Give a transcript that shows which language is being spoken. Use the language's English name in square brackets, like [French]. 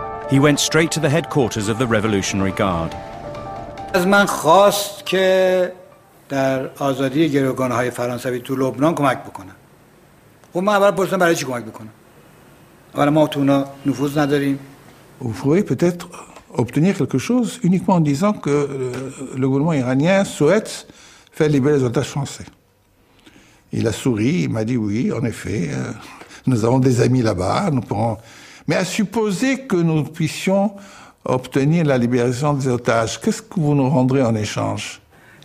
[English] He went straight to the headquarters of the Revolutionary Guard. [Persian] از من خواست که در آزادی گروگان‌های فرانسوی تو لبنان کمک بکنم. خب من اول پرسیدم برای چی کمک بکنم؟ اول ما تو اونا نفوذ نداریم. [French] Vous pourriez peut-être obtenir quelque chose uniquement en disant que le gouvernement iranien souhaite faire libérer les otages français. Il a souri, il m'a dit oui, en effet, nous avons des amis là-bas, nous pourrons... Mais à supposer que nous puissions obtenir la libération des otages, qu'est-ce que vous nous rendrez en échange ?